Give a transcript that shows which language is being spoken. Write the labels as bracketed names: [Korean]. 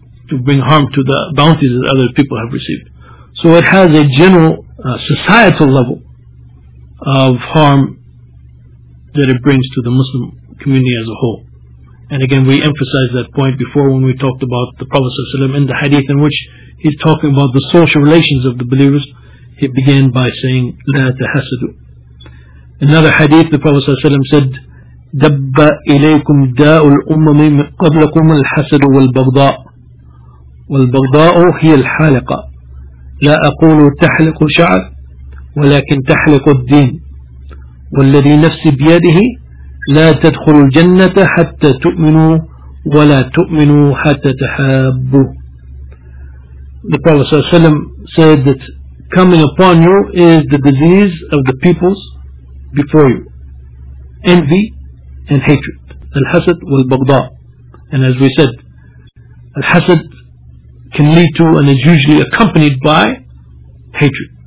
[English] To bring harm to the bounties that other people have received. So it has a general societal level of harm that it brings to the Muslim community as a whole. And again, we emphasized that point before when we talked about the Prophet ﷺ in the hadith in which he's talking about the social relations of the believers. He began by saying, [Arabic] لَا تَحَسَدُوا. [English] Another hadith, the Prophet ﷺ said, [Arabic] دَبَّ إِلَيْكُمْ دَاءُ الْأُمَّمِ مِنْ قَبْلَكُمُ الْحَسَدُ وَالْبَغْضَاءُ وَالْبَغْضَاءُ هِيَ الْحَالِقَ لَا أَقُولُ تَحْلِقُ شَعَرْ وَلَكِنْ تَحْلِقُ الدِّينِ وَالَّذِي نَفْسِ بِيَدِهِ لا تدخل الجنة حتى تؤمنوا ولا تؤمنوا حتى تحابوا. [English] The Prophet ﷺ said that coming upon you is the disease of the peoples before you. Envy and hatred. [Arabic] Al-hasad wal-baghda. [English] And as we said, al-hasad can lead to and is usually accompanied by hatred.